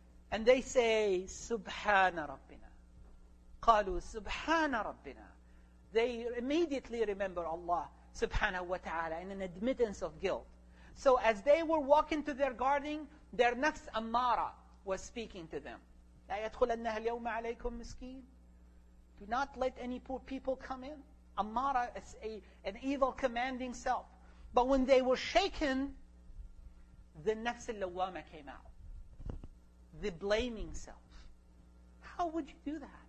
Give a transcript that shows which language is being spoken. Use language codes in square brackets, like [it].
[en] And they say, [ar] Subhana Rabbina. Qalu Subhana Rabbina. [en] They immediately remember Allah subhanahu wa ta'ala in an admittance of guilt. So as they were walking to their garden, their nafs ammara was speaking to them. [ar] لا يدخلنها اليوم عليكم مسكين. [en] Do not let any poor people come in. Ammara is an evil commanding self. But when they were shaken, the nafs al-lawwama came out. The blaming self. How would you do that?